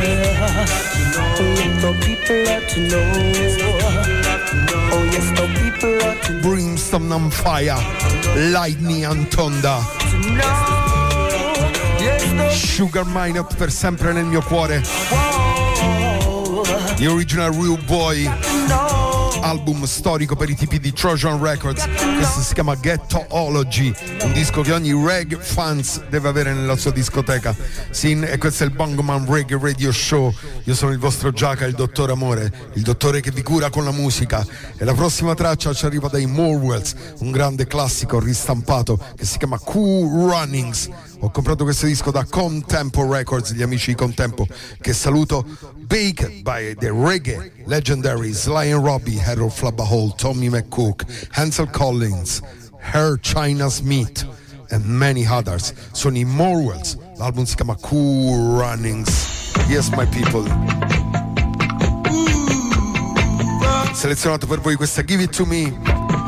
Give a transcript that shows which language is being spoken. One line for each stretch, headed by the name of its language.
English: Oh yes, the people ought to know. Oh yes, the people ought to know. Brimstone and fire, lightning and thunder.
Italian: Sugar Mine Up per sempre nel mio cuore.
English: The original real boy.
Italian: album storico per i tipi di Trojan Records. Questo si chiama Ghettoology, un disco che ogni reggae fans deve avere nella sua discoteca. Sì, e questo è il Bongoman Reggae Radio Show. Io sono il vostro Giaca, il dottor amore, il dottore che vi cura con la musica. E la prossima traccia ci arriva dai Morwells, un grande classico ristampato che si chiama Cool Runnings. Ho comprato questo disco da Contempo Records, gli amici di Contempo, che saluto.
English: Baked by the Reggae Legendary, Sly and Robbie, Harold Flabahol, Tommy McCook, Hansel Collins, Her China Smith, and many others.
Italian: Sono i Morwells, l'album si chiama Cool Runnings.
English: Yes, my people.
Italian: Selezionato per voi questa Give It To Me.